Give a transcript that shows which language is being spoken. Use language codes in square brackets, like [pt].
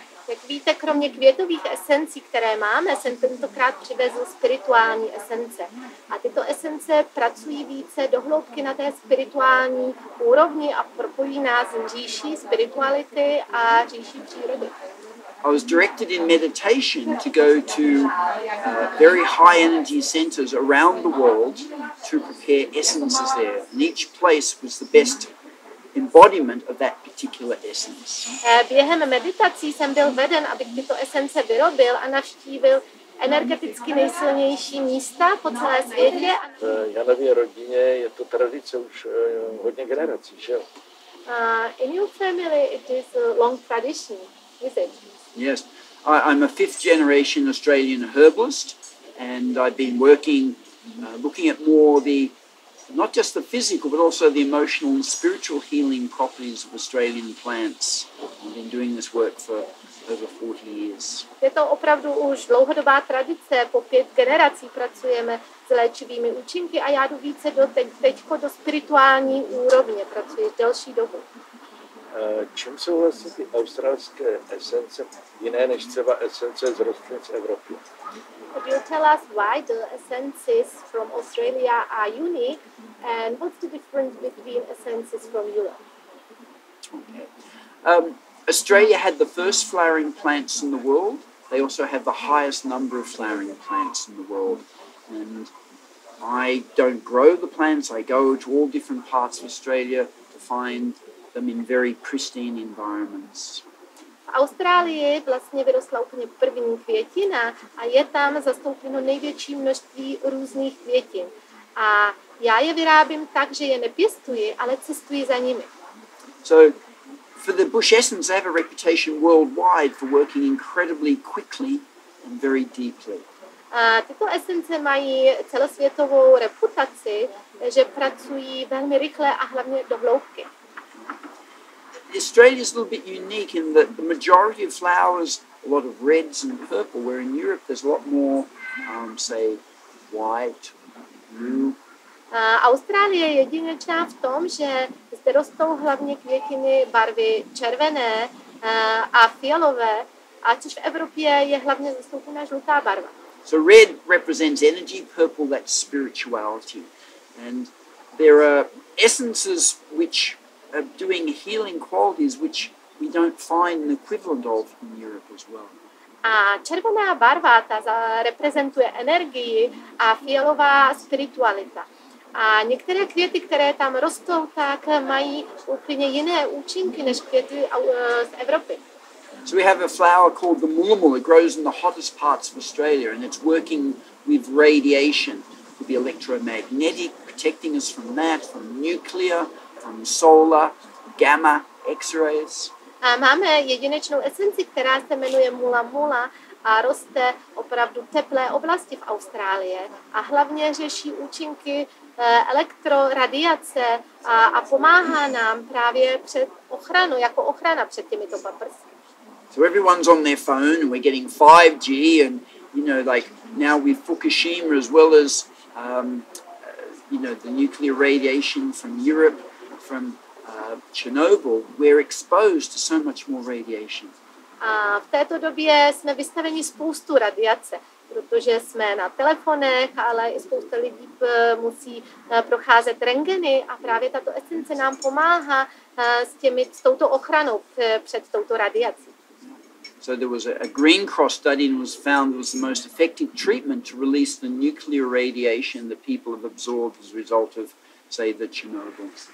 [cs] Jak víte, kromě květových esencí, které máme, jsem tentokrát přivezl spirituální esence. A tyto esence pracují více do hloubky na té spirituální úrovni a propojí nás říší spirituality a říší přírody. [en] I was directed in meditation to go to very high energy centers around the world to prepare essences there. And each place was the best embodiment of that particular essence. [cs] Během meditací jsem byl veden, abych tyto esence vyrobil a navštívil energeticky nejsilnější místa po celé světě. V Janově rodině je to tradice už hodně generací, že? [en] In your family it is a long tradition, is it? Yes, I'm a fifth generation Australian herbalist, and I've been working, looking at more the, not just the physical, but also the emotional and spiritual healing properties of Australian plants. I've been doing this work for over 40 years. [cs] Je to opravdu už dlouhodobá tradice, po pět generací pracujeme s léčivými účinky a já jdu více do teďko do spirituální úrovně, pracuji delší dobu. Čím jsou vlastně ty australské esence jiné než třeba esence z rostlin z Evropy? [en] Could you tell us why the essences from Australia are unique and what's the difference between essences from Europe? Okay. Australia had the first flowering plants in the world. They also have the highest number of flowering plants in the world. And I don't grow the plants. I go to all different parts of Australia to find them in very pristine environments. [cs] V Austrálii vlastně vyrostla úplně první květina a je tam zastoupeno největší množství různých květin. A já je vyrábím tak, že je nepěstuji, ale cestuji za nimi. [en] So for the bush essence, they have a reputation worldwide for working incredibly quickly and very deeply. [cs] A tyto esence mají celosvětovou reputaci, že pracují velmi rychle a hlavně do hloubky. [en] Australia is a little bit unique in that the majority of flowers, a lot of reds and purple, where in Europe there's a lot more, say, white, blue. [cs] Austrálie je jedinečná v tom, že zde rostou hlavně květiny barvy červené a fialové, a což v Evropě je hlavně zastoupená žlutá barva. [en] So red represents energy, purple that's spirituality. And there are essences which of doing healing qualities which we don't find an equivalent of in Europe as well. [cs] A červená barva ta reprezentuje energii a fialová spiritualita. A některé květy, které tam rostou, tak mají úplně jiné účinky než květy z Evropy. [en] So we have a flower called the mulamul. It grows in the hottest parts of Australia and it's working with radiation, with the electromagnetic, protecting us from that, from nuclear, from solar, gamma, x-rays. [cs] A máme jedinečnou esenci, která se jmenuje Mula Mula a roste opravdu teplé oblasti v Austrálii a hlavně řeší účinky elektroradiace a pomáhá nám právě před ochranu, jako ochrana před těmito paprsky. [en] So everyone's on their phone and we're getting 5G and, you know, like now with Fukushima as well as, you know, the nuclear radiation from Europe, from Chernobyl, we're exposed to so much more radiation. [cs] A v této době jsme vystaveni spoustu radiace, protože jsme na telefonech, ale i spousta lidí musí procházet rentgeny a právě tato esence nám pomáhá s touto ochranou před touto radiací. [en] So there was a Green Cross study and was found it was the most effective treatment to release the nuclear radiation that people have absorbed as a result of, say, the Chernobyl.